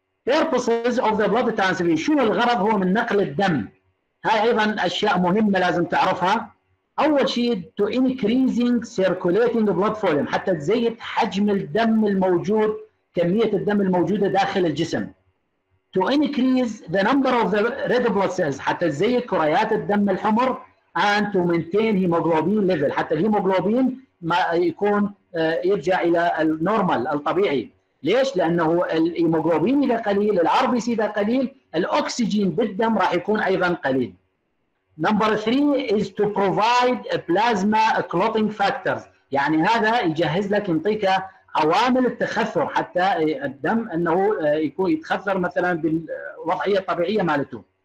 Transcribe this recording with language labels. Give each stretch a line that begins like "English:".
English: Purposes of the blood transfusion،
Arabic: شنو الغرض هو من نقل الدم؟ هاي ايضا اشياء مهمه لازم تعرفها. اول شيء
English: to increasing circulating blood volume،
Arabic: حتى تزيد حجم الدم الموجود، كميه الدم الموجوده داخل الجسم.
English: To increase the number of the red blood cells
Arabic: حتى تزيد كريات الدم الحمر،
English: and to maintain hemoglobin level
Arabic: حتى الهيموجلوبين ما يكون يرجع الى النورمال الطبيعي. ليش؟ لانه الهيموجلوبين اذا قليل، الار بي سي اذا قليل، الاكسجين بالدم راح يكون ايضا قليل.
English: Number three is to provide plasma clotting factors،
Arabic: يعني هذا يجهز لك ينطيك عوامل التخثر حتى الدم انه يكون يتخثر مثلا بالوضعيه الطبيعيه مالته.